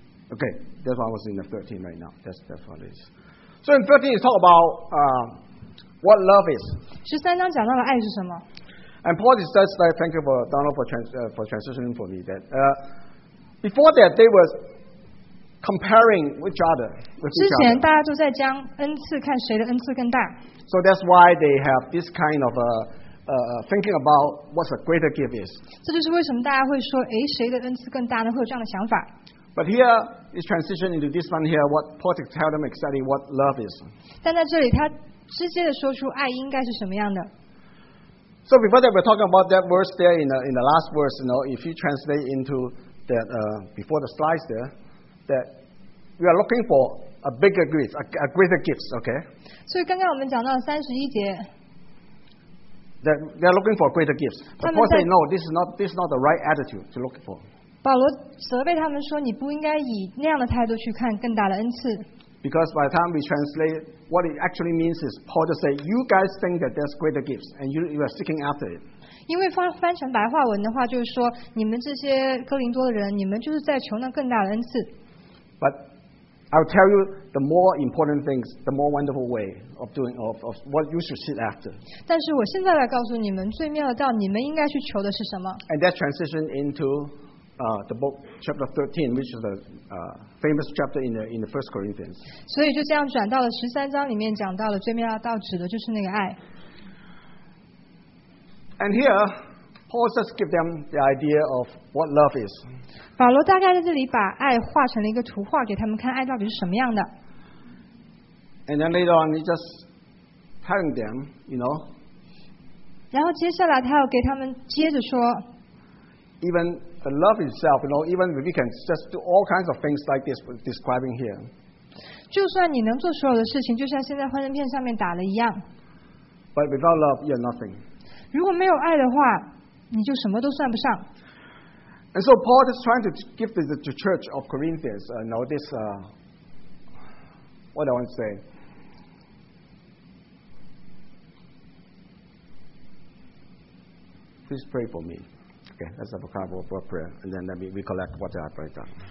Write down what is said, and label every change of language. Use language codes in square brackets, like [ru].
[en] Okay, that's why I was in the 13 right now. That's what it is. So in 13, it's talk about what love is. [zh] 13章讲到了爱是什么。 [en] And Paul says, like, thank you for Donald for transitioning for me. That, before that, they were comparing each other. [zh] 之前大家都在将恩赐看谁的恩赐更大。 [en] So that's why they have this kind of thinking about what the greater gift is. [zh] 这就是为什么大家会说，诶，谁的恩赐更大呢？会有这样的想法。 [en] But here is transition into this one here. What Paul tells them exactly what love is. [zh] 但在这里，他直接的说出爱应该是什么样的。 [en] So before that, we're talking about that verse there in the last verse. You know, if you translate into that before the slides there, that we are looking for a bigger gift, a greater gifts. Okay. [zh] 所以刚刚我们讲到31节。 [en] That they are looking for greater gifts. Of course, they know this is not the right attitude to look for. [zh] 保罗责备他们说：“你不应该以那样的态度去看更大的恩赐。” [en] Because by the time we translate, what it actually means is Paul just say, "You guys think that there's greater gifts, and you are seeking after it." [zh] 因为翻成白话文的话，就是说你们这些哥林多的人，你们就是在求那更大的恩赐。 [en] But I'll tell you the more important things, the more wonderful way of doing of what you should seek after. [zh] 但是我现在来告诉你们最妙的道，你们应该去求的是什么？ [en] And that transition into the book chapter 13, which is the famous chapter in the First Corinthians. [zh] 所以就这样转到了十三章里面讲到的最妙的道，指的就是那个爱。 [en] And here, Paul just give them the idea of what love is. [zh] 保罗大概在这里把爱画成了一个图画给他们看，爱到底是什么样的。 [en] And then later on, he just telling them, you know. [zh] 然后接下来他要给他们接着说。 [en] Even the love itself, you know, even if we can just do all kinds of things like this describing here. [zh] 就算你能做所有的事情，就像现在幻灯片上面打了一样。 [en] But without love, you're nothing. [zh] 如果没有爱的话，你就什么都算不上。 [en] And so Paul is trying to give the church of Corinthians, Please pray for me. Okay, let's have a couple of prayer, and then let me recollect what I prayed on.